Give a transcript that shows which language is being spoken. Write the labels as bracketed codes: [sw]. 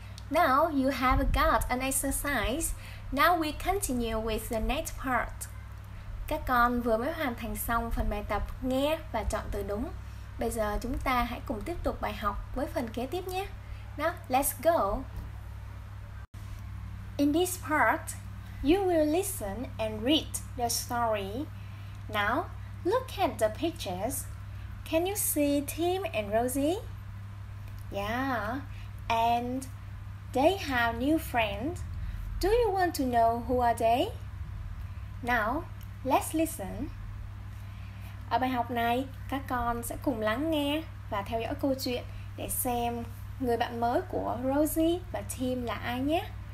[en] Now you have got an exercise. Now we continue with the next part. [vi] Các con vừa mới hoàn thành xong phần bài tập nghe và chọn từ đúng. Bây giờ chúng ta hãy cùng tiếp tục bài học với phần kế tiếp nhé. [en] Now let's go. In this part, you will listen and read the story. Now look at the pictures. Can you see Tim and Rosie? Yeah, and they have new friends. Do you want to know who are they? Now, let's listen. [vi] Ở bài học này, các con sẽ cùng lắng nghe và theo dõi câu chuyện để xem người bạn mới của Rosie và Tim là ai nhé.